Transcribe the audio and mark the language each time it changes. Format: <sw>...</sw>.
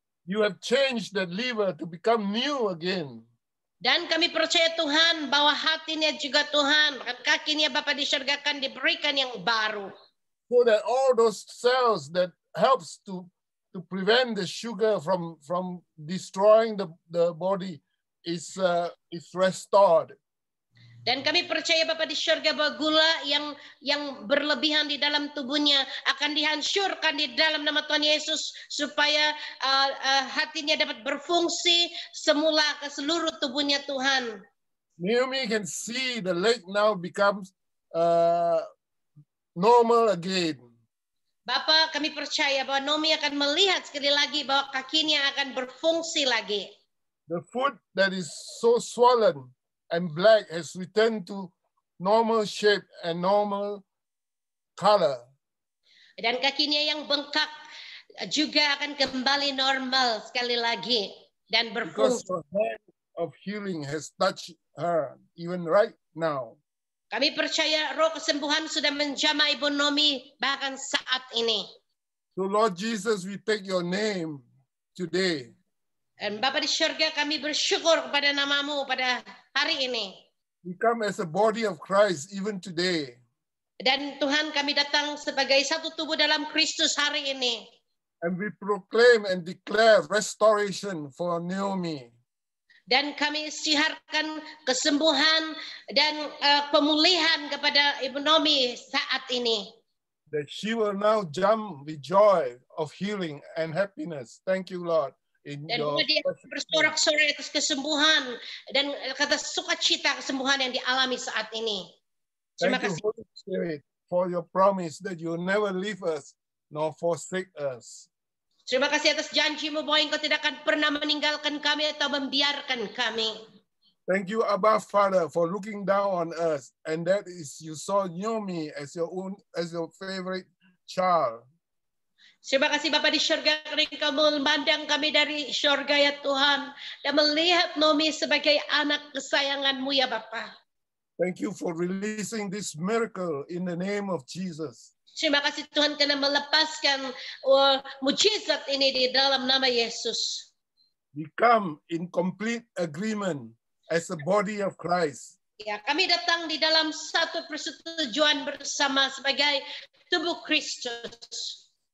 <en>You have changed that liver to become new again.</en> <id>Dan kami percaya Tuhan bahwa hatinya juga Tuhan, kakinya Bapa di surga akan diberikan yang baru.</id> <en>So that all those cells that helps to prevent the sugar from destroying the body is restored.</en> <id>Dan kami percaya Bapa di surga bahwa gula yang berlebihan di dalam tubuhnya akan dihancurkan di dalam nama Tuhan Yesus supaya hatinya dapat berfungsi semula ke seluruh tubuhnya Tuhan.</id> <en>Naomi can see the leg now becomes normal again.</en> <id>Bapa, kami percaya bahwa Naomi akan melihat sekali lagi bahwa kakinya akan berfungsi lagi.</id> <en>The foot that is so swollen and black has returned to normal shape and normal color.</en> <id>Dan kakinya yang bengkak juga akan kembali normal sekali lagi dan berfungsi.</id> <en>Because the hand of healing has touched her even right now.</en> <id>Kami percaya roh kesembuhan sudah menjamah Ibu Naomi bahkan saat ini.</id> <en>So Lord Jesus, we take your name today.</en> <id>Dan Bapa di surga, kami bersyukur kepada namamu pada hari ini.</id> <en>We come as a body of Christ even today.</en> <id>Dan Tuhan, kami datang sebagai satu tubuh dalam Kristus hari ini.</id> <en>And we proclaim and declare restoration for Naomi.</en> <id>Dan kami siarkan kesembuhan dan pemulihan kepada Ibu Naomi saat ini.</id> <en>That she will now jump with joy of healing and happiness. Thank you, Lord.</en> <id>Dan dia bersorak-sorai atas kesembuhan dan kata sukacita kesembuhan yang dialami saat ini. Terima kasih.</id> <en>Thank you, Holy Spirit, for your promise that you never leave us nor forsake us.</en> <id>Terima kasih atas janjimu bahwa engkau tidak akan pernah meninggalkan kami atau membiarkan kami.</id> <en>Thank you, Abba Father, for looking down on us, and that is you saw Naomi as your own, as your favorite child.</en> <id>Terima kasih Bapa di surga, karena Engkau memandang kami dari surga ya Tuhan dan melihat Naomi sebagai anak kesayangan-Mu ya Bapa.</id> <en>Thank you for releasing this miracle in the name of Jesus.</en> <id>Terima kasih Tuhan karena melepaskan mujizat ini di dalam nama Yesus.</id> <en>We come in complete agreement as a body of Christ.</en> <id>Ya, kami datang di dalam satu persetujuan bersama sebagai tubuh Kristus.</id>